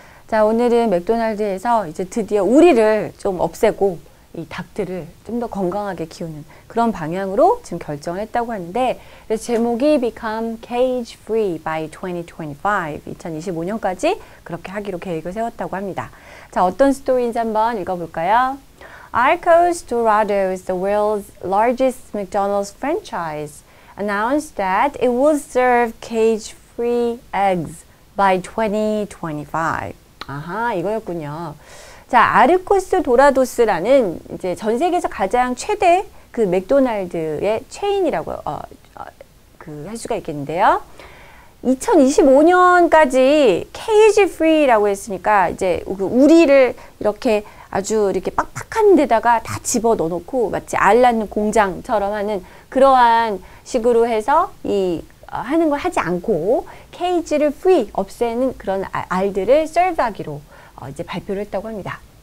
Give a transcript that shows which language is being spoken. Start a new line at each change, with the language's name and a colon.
Korean: 자, 오늘은 맥도날드에서 이제 드디어 우리를 좀 없애고 이 닭들을 좀 더 건강하게 키우는 그런 방향으로 지금 결정을 했다고 하는데, 그래서 제목이
English: Become Cage Free by 2025,
Korean: 2025년까지 그렇게 하기로 계획을 세웠다고 합니다. 자, 어떤 스토리인지 한번 읽어볼까요?
English: Arcos Dorado is the world's largest McDonald's franchise. Announced that it will serve cage-free eggs by 2025.
Korean: 아하, 이거였군요. 자, 아르코스 도라도스라는 이제 전 세계에서 가장 최대 그 맥도날드의 체인이라고 할 수가 있겠는데요. 2025년까지 cage-free라고 했으니까 이제 그 우리를 이렇게 아주 이렇게 빡빡한 데다가 다 집어 넣어놓고 마치 알 낳는 공장처럼 하는 그러한 식으로 해서 이 하는 걸 하지 않고 케이지를 free 없애는 그런 알들을 serve하기로 이제 발표를 했다고 합니다.